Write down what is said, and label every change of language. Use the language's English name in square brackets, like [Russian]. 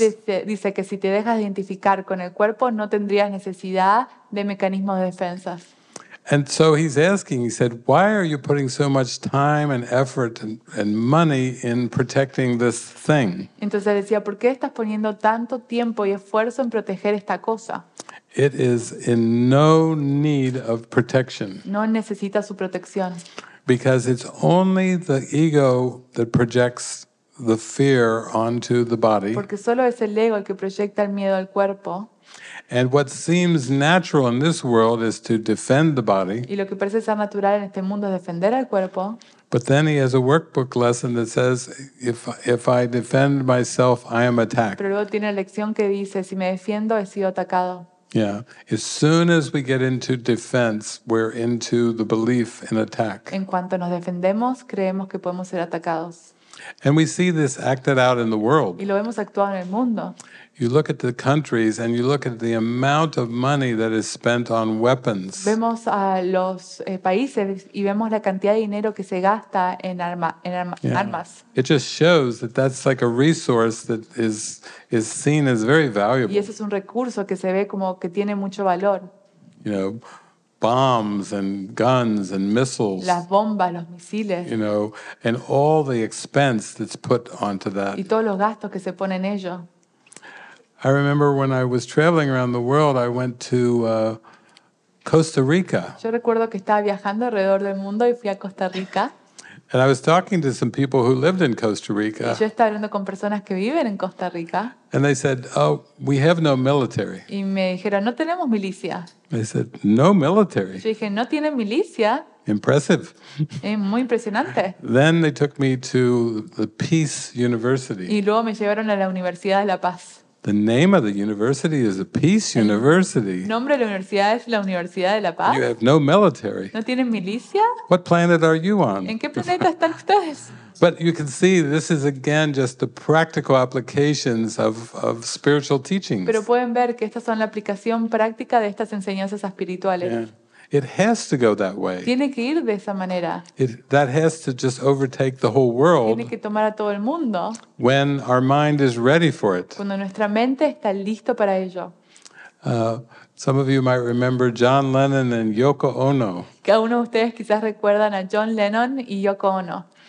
[Spanish] Él dice que si te dejas identificar con el cuerpo, no tendrías necesidad de mecanismos de defensa. [English] And so he's asking, he said, why are you putting so much time and effort and money in protecting this thing? [Spanish] Entonces decía, ¿por qué estás poniendo tanto tiempo y esfuerzo en proteger esta cosa? [English] It is in no need of protection. [Spanish] No necesita su protección. [English] Because it's only the ego that projects the fear onto the body. [Spanish] Porque solo es el ego el que proyecta el miedo al cuerpo. [English] And what seems natural in this world is to defend the body. [Spanish] Y lo que parece ser natural en este mundo es defender al cuerpo. [English] But then he has a workbook lesson that says, if I defend myself, I am attacked. [Spanish] Pero luego tiene la lección que dice, si me defiendo, he sido atacado. [English] Yeah. As soon as we get into defense, we're into the belief in attack. [Spanish] En cuanto nos defendemos, creemos que podemos ser atacados. [English] And we see this acted out in the world. [Spanish] Y lo vemos actuado en el mundo. [English] You look at the countries and you look at the amount of money that is spent on weapons. [Spanish] Vemos a los países y vemos la cantidad de dinero que se gasta en armas. [English] It just shows that that's like a resource that is seen as very valuable. [Spanish] Y eso es un recurso que se ve como que tiene mucho valor. [English] You know, bombs and guns and missiles. [Spanish] Las bombas, los misiles. [English] You know, and all the expense that's put onto that. [Spanish] Y todos los gastos que se ponen en ello. [English] I remember when I was traveling around the world, I went to Costa Rica. [Spanish] Yo recuerdo que estaba viajando alrededor del mundo y fui a Costa Rica. [English] And I was talking to some people who lived in Costa Rica. [Spanish] Y yo estaba hablando con personas que viven en Costa Rica. [English] And they said, "Oh, we have no military." [Spanish] Y me dijeron, "No tenemos milicia." [English] They said, "No military." [Spanish] Yo dije, "No tienen milicia." [English] Impressive. [Spanish] Es muy impresionante. [English] Then they took me to the Peace University. [Spanish] Y luego me llevaron a la Universidad de la Paz. [English] The name of the university is a Peace University. [Spanish] El nombre de la universidad es la Universidad de la Paz. [English] You have no military. [Spanish] ¿No tienen milicia? [English] What planet are you on? [Spanish] ¿En qué planeta están ustedes? [English] But you can see this is again just the practical applications of spiritual teachings. [Spanish] Pero pueden ver que estas son la aplicación práctica de estas enseñanzas espirituales. [English] Yeah. It has to go that way. [Spanish] Tiene que ir de esa manera. [English] That has to just overtake the whole world. [Spanish] Tiene que tomar a todo el mundo. [English] When our mind is ready for it. [Spanish] Cuando nuestra mente está listo para ello. [English] Some of you might remember John Lennon and Yoko Ono. [Spanish] Cada uno de ustedes quizás recuerdan a John Lennon y Yoko Ono.